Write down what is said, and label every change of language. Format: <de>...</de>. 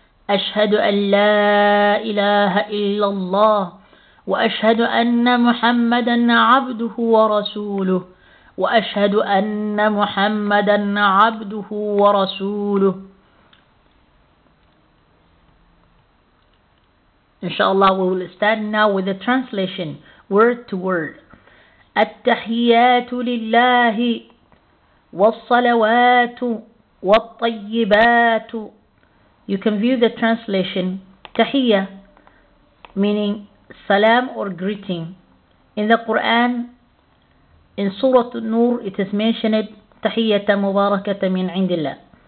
<ar>أشهد أن لا إله إلا الله. وأشهد أن محمدًا عبده ورسوله. وأشهد أن محمدًا عبده ورسوله.</ar> <en>Inshallah, we will start now with the translation, word to word.</en> <ar>التحيات لله والصلوات والطيبات.</ar> <en>You can view the translation. تحية meaning salam or greeting. In the Quran, in Surah An-Nur, it is mentioned</en> <ar>تحية مباركة من عند الله.</ar>